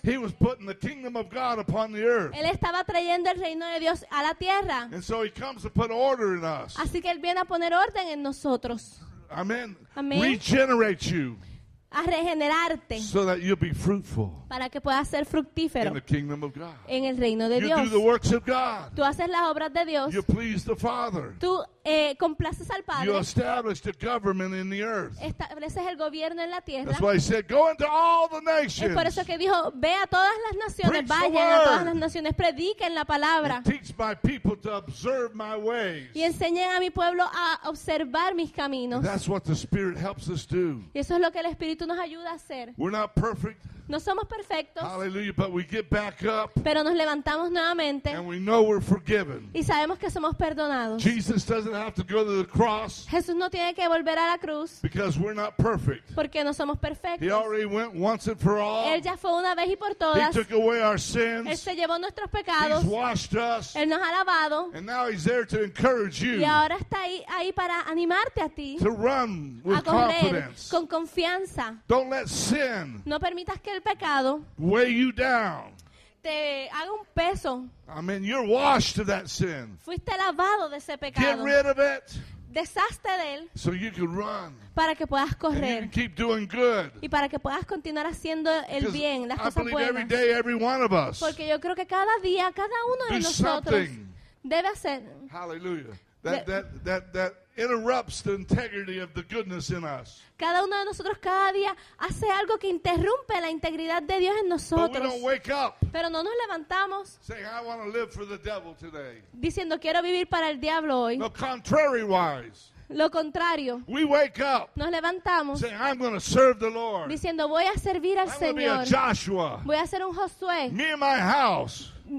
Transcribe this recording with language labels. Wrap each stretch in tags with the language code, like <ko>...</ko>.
<en>He was putting the kingdom of God upon the earth.</en> <es>Él estaba trayendo el reino de Dios a la tierra.</es> <en>And so he comes to put order in us.</en> <es>Así que él viene a poner orden en nosotros. Amen. Amen.</es> <en>Regenerate you.</en> <es>A regenerarte.</es> <en>So that you'll be fruitful.</en> <es>Para que puedas ser fructífero.</es> <en>In the kingdom of God.</en> <es>En el reino de</es> <en>you</en> <es>Dios.</es> <en>You do the works of God.</en> <es>Tú haces las obras de Dios.</es> <en>You please the Father.</en> <es>Tú complaces al Padre.</es> <en>You establish the government in the earth.</en> <es>Estableces el gobierno en la tierra.</es> <en>That's why he said, go into all the nations.</en> <es>Es por eso que dijo, ve a todas las naciones, vayan a todas las naciones, prediquen la palabra.</es> <en>And teach my people to observe my ways.</en> <es>Y enseñen a mi pueblo a observar mis caminos.</es> <en>And that's what the Spirit helps us do.</en> <es>Y eso es lo que el Espíritu nos ayuda a hacer.</es> <en>We're not perfect.</en> <es>No somos perfectos.</es> <en>Hallelujah, but we get back up.</en> <es>Pero nos levantamos nuevamente.</es> <en>And we know we're forgiven.</en> <es>Y sabemos que somos perdonados.</es> <en>Jesus doesn't have to go to the cross.</en> <es>Jesús no tiene que volver a la cruz.</es> <en>Because we're not perfect.</en> <es>Porque no somos perfectos.</es> <en>He already went once and for all.</en> <es>Él ya fue una vez y por todas.</es> <en>He took away our sins.</en> <es>Él se llevó nuestros pecados.</es> <en>He's washed us.</en> <es>Él nos ha lavado.</es> <en>And now he's there to encourage you.</en> <es>Y ahora está ahí para animarte a ti.</es> <en>To run with confidence.</en> <es>Con confianza.</es> <en>Don't let sin.</en> <es>No permitas que el pecado</es> <en>weigh you down.</en> <es>Te haga un peso.</es> <en>I mean, you're washed of that sin.</en> <es>Fuiste lavado de ese pecado.</es> <en>Get rid of it.</en> <es>Deshazte de él.</es> <en>So you can run.</en> <es>Para que puedas correr.</es> <en>And you can keep doing good.</en> <es>Y para que puedas continuar haciendo el bien, las cosas buenas.</es> <en>I believe every day, every one of us.</en> <es>Porque yo creo que cada día, cada uno de nosotros</es> <en>something.</en> <es>Debe hacer. Hallelujah.</es> <en>That interrupts the integrity of the goodness in us.</en> <es>Cada uno de nosotros cada día hace algo que interrumpe la integridad de Dios en nosotros.</es> <en>But we don't wake up.</en> <es>Pero no nos levantamos.</es> <en>Saying I want to live for the devil today.</en> <es>Diciendo quiero vivir para el diablo hoy.</es> <en>No, contrariwise.</en> <es>Lo contrario.</es> <en>We wake up.</en> <es>Nos levantamos.</es> <en>Saying I'm going to serve the Lord.</en> <es>Diciendo voy a servir al</es> <en>I'm</en> <es>Señor.</es> <en>I'm going to be a Joshua.</en> <es>Voy a ser un Josué.</es> <en>Me and my house.</en>